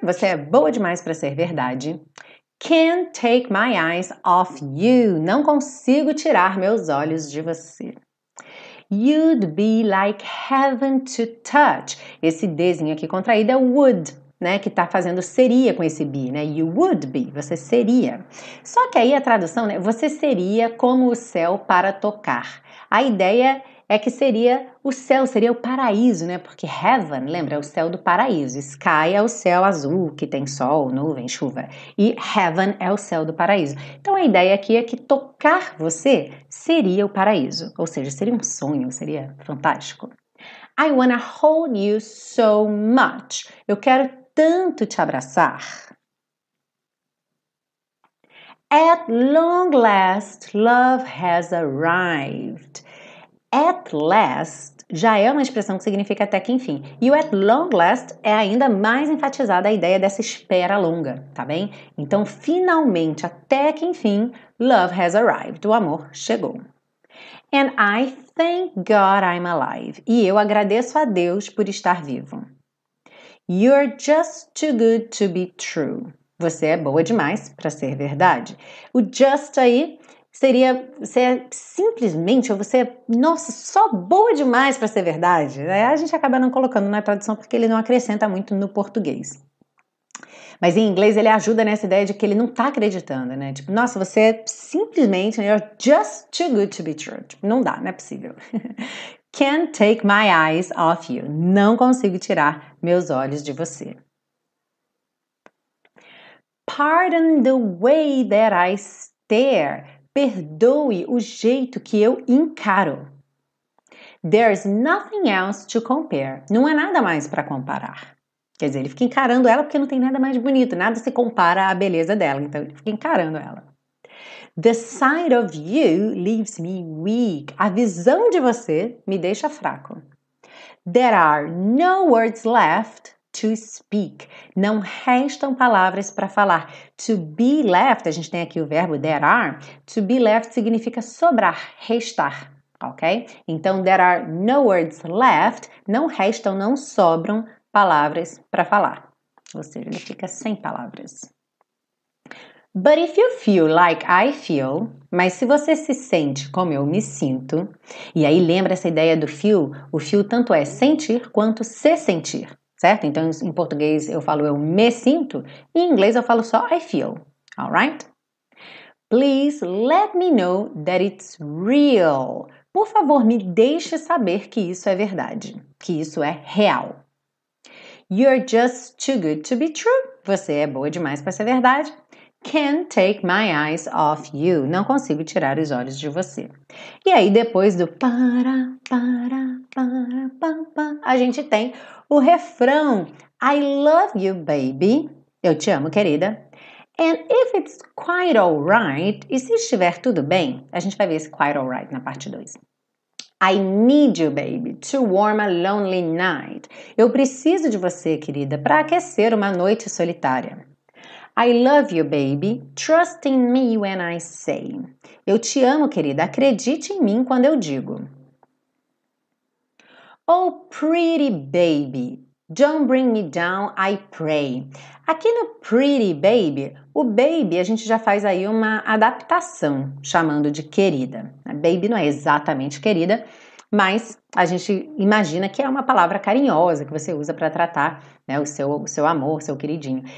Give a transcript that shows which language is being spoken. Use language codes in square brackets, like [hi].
[pt] Você é boa demais para ser verdade. [en] Can't take my eyes off you. [pt] Não consigo tirar meus olhos de você. [en] You'd be like heaven to touch. [pt] Esse Dzinho aqui contraído é would, né? Que tá fazendo seria com esse be, né? [en] You would be, [pt] você seria. Só que aí a tradução, né? Você seria como o céu para tocar. A ideia é que seria o céu, seria o paraíso, né? Porque heaven, lembra? É o céu do paraíso. Sky é o céu azul, que tem sol, nuvem, chuva. E heaven é o céu do paraíso. Então, a ideia aqui é que tocar você seria o paraíso. Ou seja, seria um sonho, seria fantástico. [en] I wanna hold you so much. [pt] Eu quero tanto te abraçar. [en] At long last, love has arrived. [pt] At last já é uma expressão que significa até que enfim. E o at long last é ainda mais enfatizada a ideia dessa espera longa, tá bem? Então, finalmente, até que enfim, [en] love has arrived. [pt] O amor chegou. [en] And I thank God I'm alive. [pt] E eu agradeço a Deus por estar vivo. [en] You're just too good to be true. [pt] Você é boa demais para ser verdade. O just aí seria, você é simplesmente, ou você é, nossa, só boa demais para ser verdade. Aí a gente acaba não colocando na tradução porque ele não acrescenta muito no português. Mas em inglês ele ajuda nessa ideia de que ele não tá acreditando, né? Tipo, nossa, você é simplesmente, [en] you're just too good to be true. [pt] Tipo, não dá, não é possível. [en] Can't take my eyes off you. [pt] Não consigo tirar meus olhos de você. [en] Pardon the way that I stare. [pt] Perdoe o jeito que eu encaro. [en] There's nothing else to compare. [pt] Não há nada mais para comparar. Quer dizer, ele fica encarando ela porque não tem nada mais bonito. Nada se compara à beleza dela. Então, ele fica encarando ela. [en] The sight of you leaves me weak. [pt] A visão de você me deixa fraco. [en] There are no words left to speak. [pt] Não restam palavras para falar. To be left, a gente tem aqui o verbo there are. To be left significa sobrar, restar, ok? Então, [en] there are no words left. [pt] Não restam, não sobram palavras para falar. Ou seja, ele fica sem palavras. [en] But if you feel like I feel, [pt] mas se você se sente como eu me sinto, e aí lembra essa ideia do feel, o feel tanto é sentir quanto se sentir. Certo? Então, em português eu falo eu me sinto, e em inglês eu falo só I feel, alright? [en] Please let me know that it's real. [pt] Por favor, me deixe saber que isso é verdade, que isso é real. [en] You're just too good to be true. [pt] Você é boa demais para ser verdade. [en] Can't take my eyes off you. [pt] Não consigo tirar os olhos de você. E aí, depois do para, para, para, pam, pam, a gente tem o refrão. [en] I love you, baby. [pt] Eu te amo, querida. [en] And if it's quite alright, [pt] e se estiver tudo bem, a gente vai ver esse quite alright na parte 2. [en] I need you, baby, to warm a lonely night. [pt] Eu preciso de você, querida, para aquecer uma noite solitária. [en] I love you, baby, trust in me when I say. [pt] Eu te amo, querida, acredite em mim quando eu digo. [en] Oh, pretty baby, don't bring me down, I pray. [pt] Aqui no pretty baby, o baby a gente já faz aí uma adaptação, chamando de querida. Baby não é exatamente querida, mas a gente imagina que é uma palavra carinhosa que você usa para tratar, né, o seu amor, seu queridinho.